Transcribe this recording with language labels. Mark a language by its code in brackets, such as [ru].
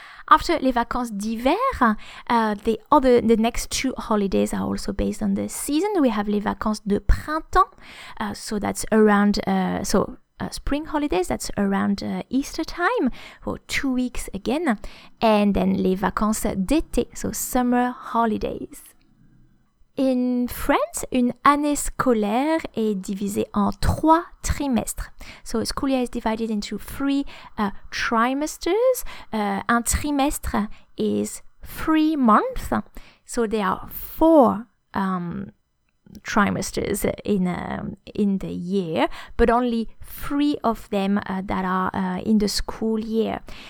[en] After les vacances d'hiver, the next two holidays are also based on the season. We have les vacances de printemps, so that's around spring holidays, that's around Easter time, for 2 weeks again, and then les vacances d'été, so summer holidays. [fr] In France, une année scolaire est divisée en trois trimestres. [en] So a school year is divided into three trimesters. Un trimestre is 3 months, so there are four trimesters in the year, but only three of them that are in the school year.